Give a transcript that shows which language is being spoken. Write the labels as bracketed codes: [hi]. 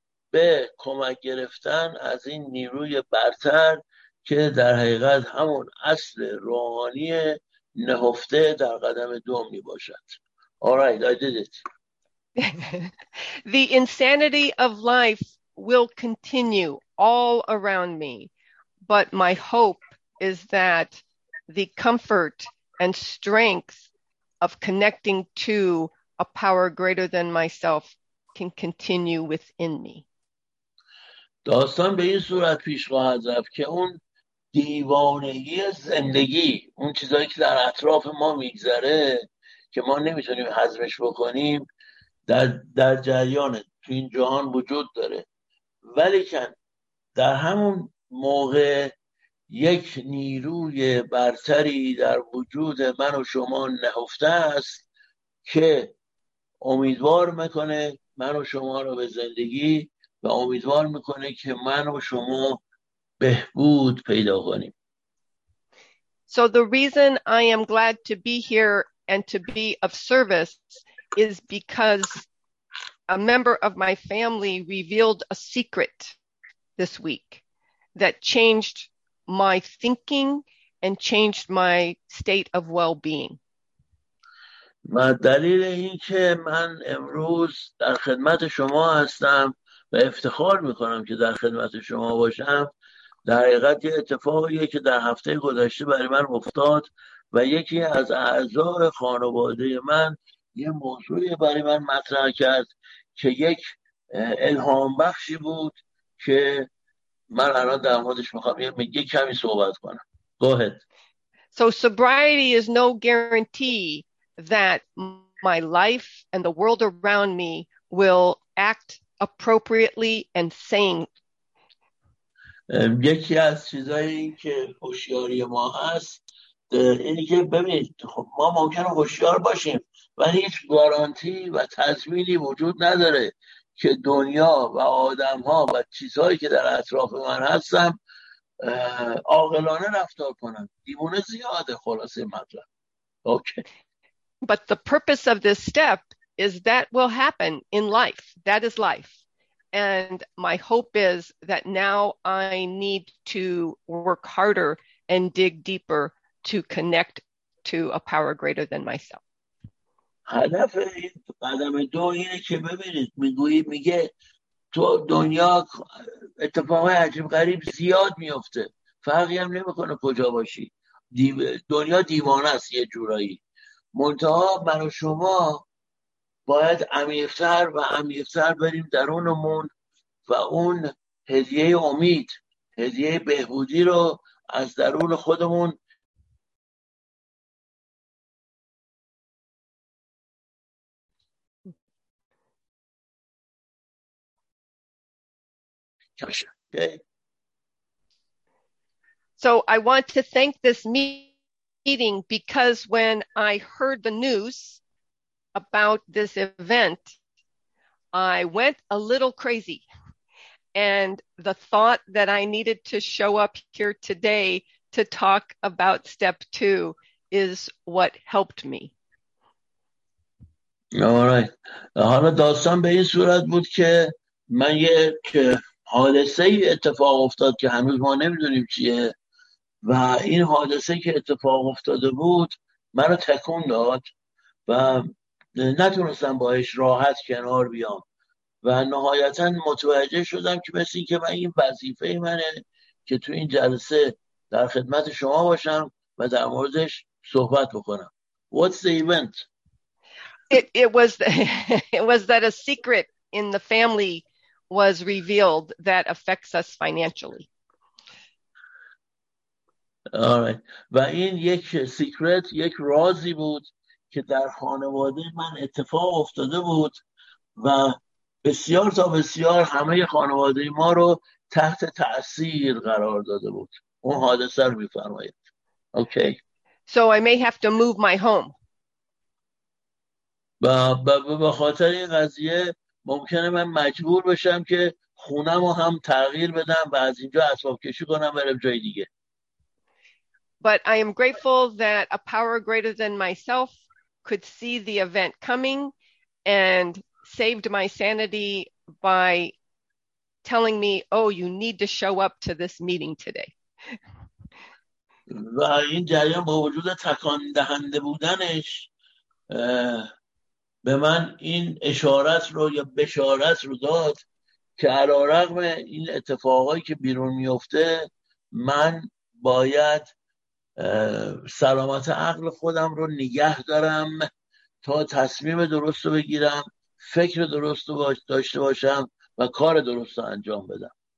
[fa] به کمک گرفتن از این نیروی برتر که در حقیقت همون اصل روحانی نهفته در قدم دو می باشد. [en] All right, I did it. The insanity of life will continue all around me, but my hope is that the comfort and strength of connecting to a power greater than myself can continue within me. [fa] داستان به این صورت پیش خواهد رفت که اون دیوانگی زندگی، اون چیزایی که در اطراف ما میگذره که ما نمیتونیم هضمش بکنیم، در جریان تو این جهان وجود داره، ولیکن در همون موقع یک نیروی برتری در وجود من و شما نهفته است که امیدوار میکنه من و شما رو به زندگی و امیدوار میکنه که من و شما بهبود پیدا کنیم. [en] So the reason I am glad to be here and to be of service is because a member of my family revealed a secret this week that changed my thinking and changed my state of well-being. [fa] ما دلیل اینکه من امروز در خدمت شما هستم و افتخار میکنم که در خدمت شما باشم، در حقیقت یه اتفاقیه که در هفته گذشته برای من افتاد و یکی از اعضای خانواده من یه موضوعی برای من مطرح کرد که یک الهام بخشی بود که من الان در موردش میخوام یه کمی صحبت کنم. [en] Go ahead. So sobriety is no guarantee that my life and the world around me will act appropriately and sane. [fa] یکی از چیزایی که هوشیاری ما هست اینی که ببینید، خب ما ممکنه هوشیار باشیم ولی هیچ گارانتی و تضمینی وجود نداره که دنیا و آدم‌ها و چیزهایی که در اطراف من هستم عاقلانه رفتار کنن. دیوونه زیاده، خلاصه مطلب. [en] Okay. But the purpose of this step is that will happen in life. That is life. And my hope is that now I need to work harder and dig deeper to connect to a power greater than myself. [fa] هدف این قدم دو اینه که ببینید، میگه تو دنیا اتفاقای عجیب غریب زیاد میفته، فرقی هم نمیکنه کجا باشی، دنیا دیوانه است یه جورایی، منتها من و شما باید عمیق‌تر و عمیق‌تر بریم درونمون و اون هدیه امید، هدیه بهبودی رو از درون خودمون کشف. [en] Okay. So I want to thank this meeting because when I heard the news about this event, I went a little crazy. And the thought that I needed to show up here today to talk about step two is what helped me. All right. [fa] حالا داستان به این صورت بود که من یک حادثه اتفاق افتاد که هنوز ما نمیدونیم چیه، و این حادثه که اتفاق افتاده بود منو تکون داد و نتونستم باهاش راحت کنار بیام و نهایتا متوجه شدم که مثل این که من، این وظیفه منه که تو این جلسه در خدمت شما باشم و در موردش صحبت بکنم. [en] What's the event? It was that a secret in the family was revealed that affects us financially. All right. [fa] و این یک سیکرت، یک رازی بود که در خانواده من اتفاق افتاده بود و بسیار تا بسیار همه خانواده ما رو تحت تأثیر قرار داده بود. اون حادثه رو می‌فرمایید. اوکی. [en] So I may have to move my home. [fa] به خاطر این قضیه ممکنه من مجبور بشم که خونم رو هم تغییر بدم و از اینجا اسباب کشی کنم برم جای دیگه. [en] But I am grateful that a power greater than myself could see the event coming and saved my sanity by telling me, oh, you need to show up to this meeting today. [fa] و این جریان با وجود تکان دهنده بودنش به من این اشارت رو یا بشارت رو داد که علی رغم این اتفاقایی که بیرون میفته من باید سلامت عقل خودم رو نگه دارم تا تصمیم درست رو بگیرم، فکر درست رو داشته باشم و کار درست رو انجام بدم.